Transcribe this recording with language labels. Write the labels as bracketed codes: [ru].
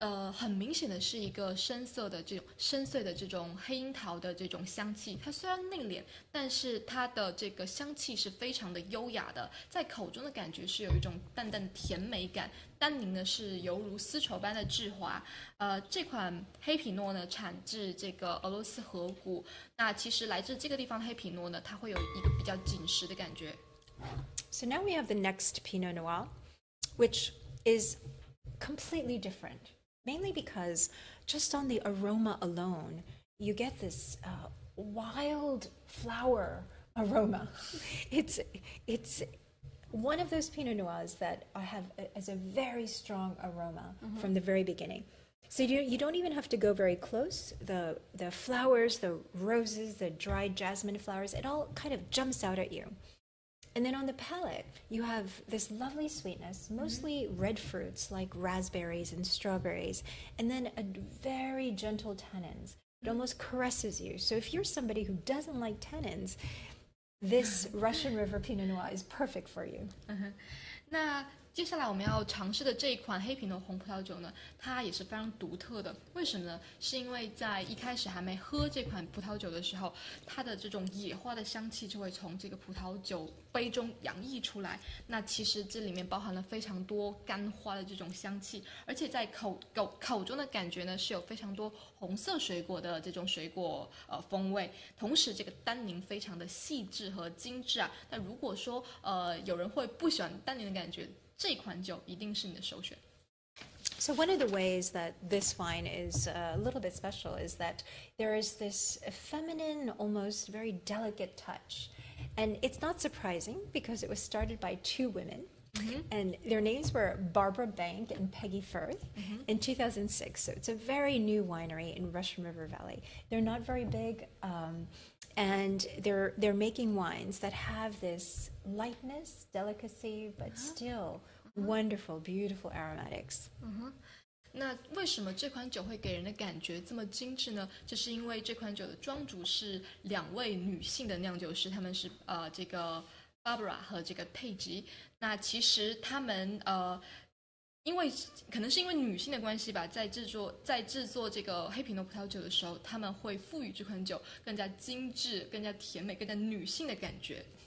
[zh] 很明显的是一个深色的这种深邃的这种黑樱桃的这种香气，它虽然内敛，但是它的这个香气是非常的优雅的，在口中的感觉是有一种淡淡甜美感，单宁呢是犹如丝绸般的质滑。这款黑皮诺呢产自这个俄罗斯河谷，那其实来自这个地方的黑皮诺呢，它会有一个比较紧实的感觉。 [en] So now we have the next Pinot Noir, which is completely different. Mainly because just on the aroma alone, you get this wild flower aroma. It's one of those Pinot Noirs that I have as a very strong aroma mm-hmm. from the very beginning. So you don't even have to go very close. The flowers, the roses, the dried jasmine flowers, it all kind of jumps out at you. And then on the palate, you have this lovely sweetness, mostly mm-hmm. red fruits like raspberries and strawberries, and then a very gentle tannins. It almost caresses you. So if you're somebody who doesn't like tannins, this Russian River Pinot Noir is perfect for you. Uh-huh. [zh] 那接下来我们要尝试的这一款黑皮诺红葡萄酒呢，它也是非常独特的。为什么呢？是因为在一开始还没喝这款葡萄酒的时候，它的这种野花的香气就会从这个葡萄酒杯中洋溢出来。那其实这里面包含了非常多干花的这种香气，而且在口中的感觉呢，是有非常多红色水果的这种水果风味。同时，这个单宁非常的细致和精致啊。那如果说有人会不喜欢单宁的感觉，这款酒一定是你的首选。 [en] So one of the ways that this wine is a little bit special is that there is this feminine, almost very delicate touch. And it's not surprising because it was started by two women. Mm-hmm. And their names were Barbara Bank and Peggy Firth mm-hmm. in 2006. So it's a very new winery in Russian River Valley. They're not very big, and they're making wines that have this lightness, delicacy, but uh-huh. still wonderful, beautiful aromatics. Uh-huh. [zh] 那为什么这款酒会给人的感觉这么精致呢？就是因为这款酒的庄主是两位女性的酿酒师，他们是这个Barbara 和这个佩吉，那其实他们因为可能是因为女性的关系吧，在制作这个黑皮诺葡萄酒的时候，他们会赋予这款酒更加精致、更加甜美、更加女性的感觉。